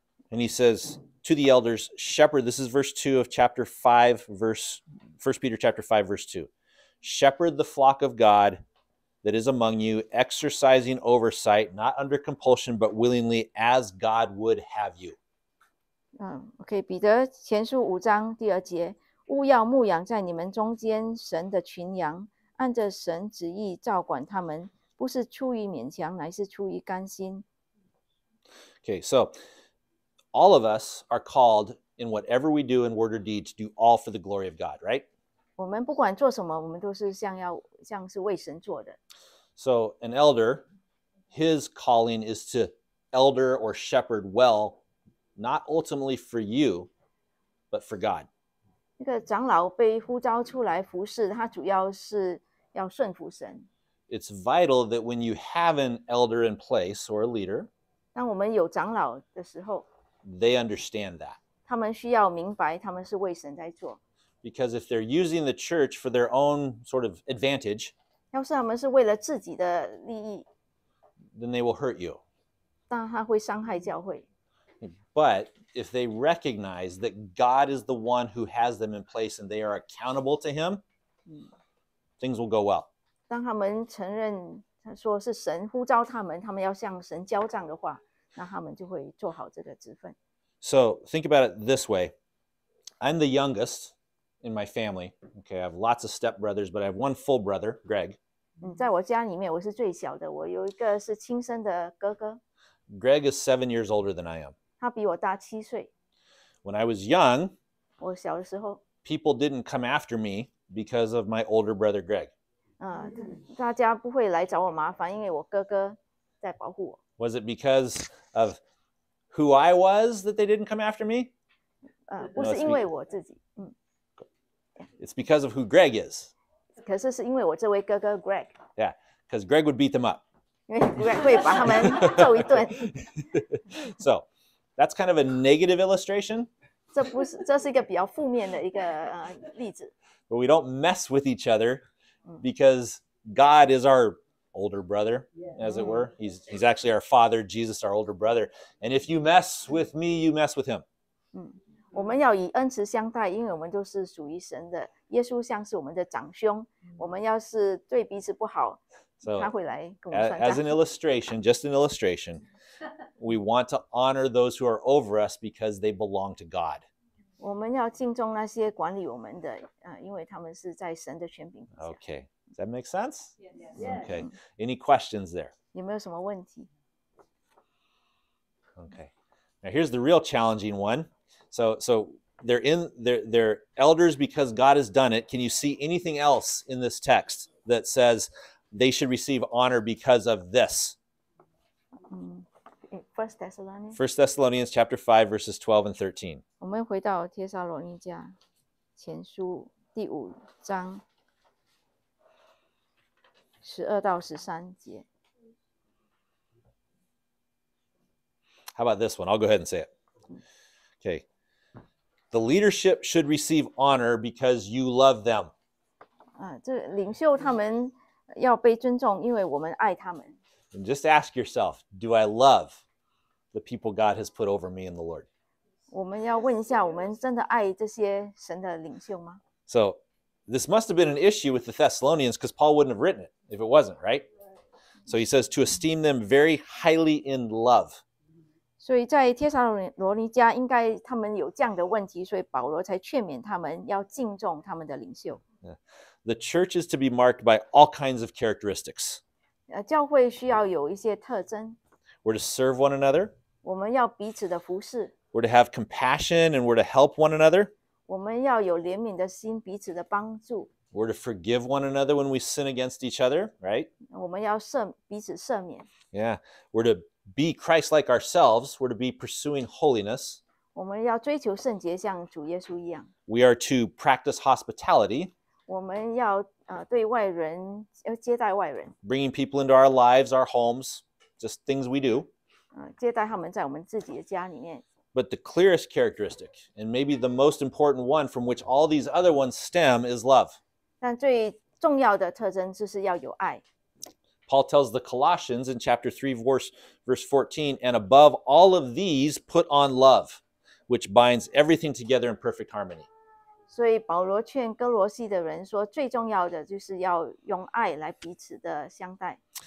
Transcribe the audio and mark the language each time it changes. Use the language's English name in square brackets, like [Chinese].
[English] And he says to the elders, shepherd, this is verse 2 of chapter 5, verse 1 Peter chapter 5, verse 2. Shepherd the flock of God that is among you, exercising oversight, not under compulsion, but willingly, as God would have you. [Chinese] Okay, 彼得前书五章第二节，务要牧养在你们中间神的群羊，按着神旨意照管他们，不是出于勉强，乃是出于甘心。 [English] Okay, so... All of us are called in whatever we do in word or deed to do all for the glory of God, right? [Chinese] 我们不管做什么，我们都是像是为神做的。 [English] So an elder, his calling is to elder or shepherd well, not ultimately for you, but for God. [Chinese] 那个长老被呼召出来服事，他主要是要顺服神。 [English] It's vital that when you have an elder in place or a leader, [Chinese] 当我们有长老的时候。 [English] They understand that. [Chinese] 他们需要明白他们是为神在做。 [English] Because if they're using the church for their own sort of advantage, [Chinese] 要是他们是为了自己的利益, [English] then they will hurt you. [Chinese] 但他会伤害教会。 [English] But if they recognize that God is the one who has them in place and they are accountable to him, things will go well. [Chinese] 当他们承认他说是神呼召他们，他们要向神交账的话，那他们就会做好这个职分。 [English] So think about it this way. I'm the youngest in my family. Okay, I have lots of stepbrothers, but I have one full brother, Greg. [Chinese] 在我家里面我是最小的，我有一个是亲生的哥哥。 [English] Greg is 7 years older than I am. [Chinese] 他比我大七岁。 [English] When I was young, [Chinese] 我小的时候 [English] people didn't come after me because of my older brother, Greg. [Chinese] 大家不会来找我麻烦，因为我哥哥在保护我。 [English] Was it because of who I was that they didn't come after me? [Chinese] 不是因为我自己。 [English] It's because of who Greg is. [Chinese] 可是是因为我这位哥哥 Greg. [English] Yeah, because Greg would beat them up. [Chinese] 因为 Greg 会把他们揍一顿。 [English] So, that's kind of a negative illustration. [Chinese] 这是一个比较负面的一个例子。 [English] But we don't mess with each other because God is our older brother, as it were. He's actually our father, Jesus, our older brother. And if you mess with me, you mess with him. [Chinese] 我们要以恩慈相待，因为我们就是属于神的。耶稣像是我们的长兄，我们要是对彼此不好， [English] so, [Chinese] 他会来跟我们算账。 [English] As an illustration, just an illustration, we want to honor those who are over us because they belong to God. [Chinese] 我们要敬重那些管理我们的，因为他们是在神的权柄下。 [English] Okay, does that make sense? Yes. Okay, any questions there? [Chinese] 有没有什么问题？ [English] Okay, now here's the real challenging one. So they're elders because God has done it. Can you see anything else in this text that says they should receive honor because of this? First Thessalonians chapter 5, verses 12 and 13. [Chinese] 我们回到帖撒罗尼迦前书第五章十二到十三节。 [English] How about this one? I'll go ahead and say it. Okay. The leadership should receive honor because you love them. [Chinese] 这领袖他们要被尊重，因为我们爱他们。 [English] And just ask yourself, do I love the people God has put over me in the Lord? [Chinese] 我们要问一下，我们真的爱这些神的领袖吗？ [English] So, this must have been an issue with the Thessalonians because Paul wouldn't have written it if it wasn't, right? So he says to esteem them very highly in love. [Chinese] 所以在帖撒罗尼迦应该他们有这样的问题，所以保罗才劝勉他们要敬重他们的领袖。 [English] The church is to be marked by all kinds of characteristics. [Chinese] 教会需要有一些特征。 [English] We're to serve one another. [Chinese] 我们要彼此的服侍。 [English] We're to have compassion and we're to help one another. [Chinese] 我们要有怜悯的心，彼此的帮助。 [English] We're to forgive one another when we sin against each other, right? [Chinese] 我们要彼此赦免。 [English] Yeah, we're to be Christ-like ourselves, we're to be pursuing holiness. [Chinese] 我们要追求圣洁，像主耶稣一样。 [English] We are to practice hospitality. [Chinese] 我们要对外人要接待外人。 [English] Bringing people into our lives, our homes, just things we do. [Chinese] 接待他们在我们自己的家里面。 [English] But the clearest characteristic, and maybe the most important one from which all these other ones stem, is love. [Chinese] 但最重要的特征就是要有爱。 [English] Paul tells the Colossians in chapter 3, verse 14, and above all of these, put on love, which binds everything together in perfect harmony. [Chinese] 所以保罗劝哥罗西的人说，最重要的就是要用爱来彼此的相待。